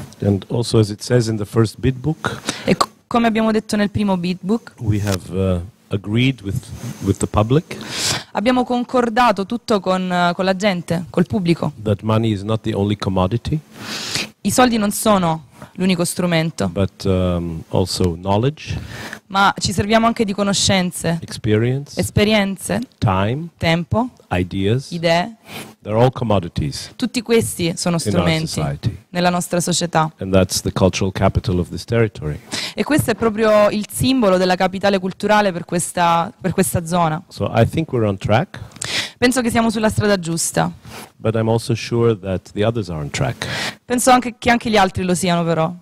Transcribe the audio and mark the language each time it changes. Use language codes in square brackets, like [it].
[en] And also, as it says in the first bid book, [it] e come abbiamo detto nel primo bid book, [en] we have agreed with the public. [it] Abbiamo concordato tutto con la gente, col pubblico. [en] That money is not the only commodity. [it] I soldi non sono l'unico strumento. [en] But also knowledge. [it] Ma ci serviamo anche di conoscenze. [en] Experience. [it] Esperienze. [en] Time. [it] Tempo. [en] Ideas. [it] Idee. [en] They're all commodities. [it] Tutti questi sono strumenti [en] in our society. [it] Nella nostra società. [en] And that's the cultural capital of this territory. [it] E questo è proprio il simbolo della capitale culturale per questa zona. [en] So I think we're on track. [it] Penso che siamo sulla strada giusta. [en] But I'm also sure that the others are on track. [it] Penso anche che anche gli altri lo siano, però.